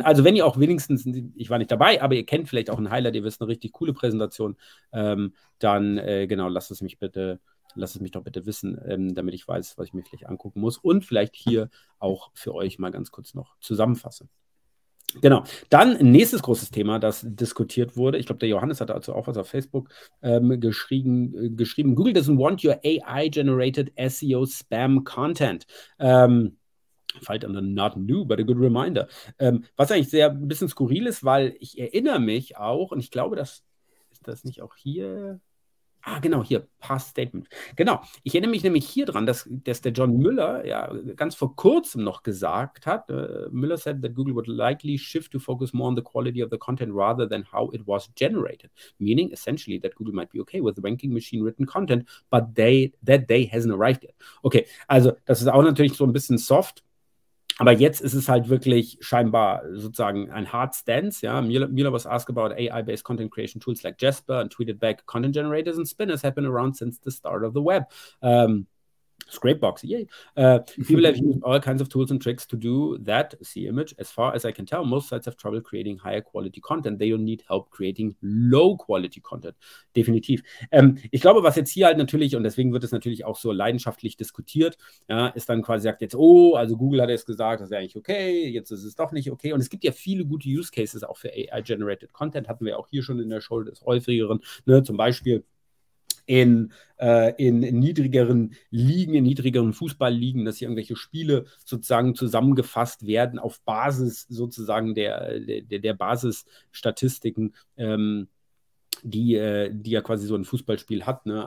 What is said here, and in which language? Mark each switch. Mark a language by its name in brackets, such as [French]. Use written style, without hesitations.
[German] Also wenn ihr auch wenigstens, ich war nicht dabei, aber ihr kennt vielleicht auch ein Highlight, ihr wisst eine richtig coole Präsentation, dann genau, lasst es mich doch bitte wissen, damit ich weiß, was ich mir vielleicht angucken muss und vielleicht hier auch für euch mal ganz kurz noch zusammenfasse. Genau, dann nächstes großes Thema, das diskutiert wurde. Ich glaube, der Johannes hat dazu auch was auf Facebook geschrieben. [English] Google doesn't want your AI-generated SEO-Spam-Content. [German] Fällt an, [English] not new, but a good reminder. [German] Was eigentlich sehr ein bisschen skurril ist, weil ich erinnere mich auch, und ich glaube, das ist das nicht auch hier. Ah, genau, hier, Past Statement. Genau, ich erinnere mich nämlich hier dran, dass der John Müller ja ganz vor kurzem noch gesagt hat, [English] Müller said that Google would likely shift to focus more on the quality of the content rather than how it was generated. Meaning, essentially, that Google might be okay with ranking machine written content, but that day hasn't arrived yet. [German] Okay, also das ist auch natürlich so ein bisschen soft. Aber jetzt ist es halt wirklich scheinbar sozusagen ein Hard Stance. Ja? [English] Müller was asked about AI-based content creation tools like Jasper and tweeted back, content generators and spinners have been around since the start of the web. Scrapebox, yay. People have used all kinds of tools and tricks to do that. See image. As far as I can tell, most sites have trouble creating higher quality content. They don't need help creating low quality content. [German] Definitiv. Ich glaube, was jetzt hier halt natürlich, und deswegen wird es natürlich auch so leidenschaftlich diskutiert, ja, ist dann quasi sagt jetzt, oh, also Google hat jetzt gesagt, das wäre eigentlich okay, jetzt ist es doch nicht okay. Und es gibt ja viele gute Use Cases auch für AI-generated Content, hatten wir auch hier schon in der Show des Häufigeren, ne, zum Beispiel in niedrigeren Ligen, in niedrigeren Fußballligen, dass hier irgendwelche Spiele sozusagen zusammengefasst werden auf Basis sozusagen der Basisstatistiken, die ja quasi so ein Fußballspiel hat. Ne?